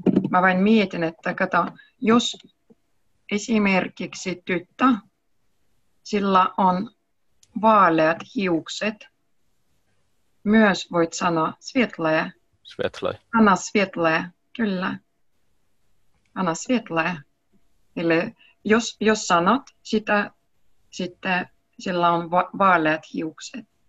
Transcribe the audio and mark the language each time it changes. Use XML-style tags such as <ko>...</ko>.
<fi>Mä vain mietin, että kato, jos esimerkiksi tyttö, sillä on vaaleat hiukset, myös voit sanoa светлая.</fi> <ru>Светлая. Она светлая,</ru> <fi>kyllä.</fi> <ru>Она светлая.</ru> <fi>Eli jos sanot sitä, sitten sillä on vaaleat hiukset.</fi>